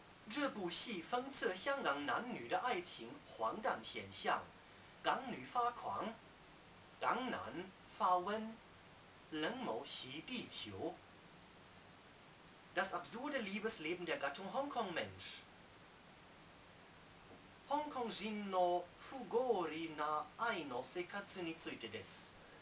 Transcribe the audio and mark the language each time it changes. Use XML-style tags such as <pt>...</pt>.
<zh>这部戏讽刺香港男女的爱情荒诞现象，港女发狂，港男发瘟，冷漠袭地球。</zh> <de>Das absurde Liebesleben der Gattung Hong Kong Mensch.</de> <ja>Hong Kong人の不合理な愛の生活についてです。</ja>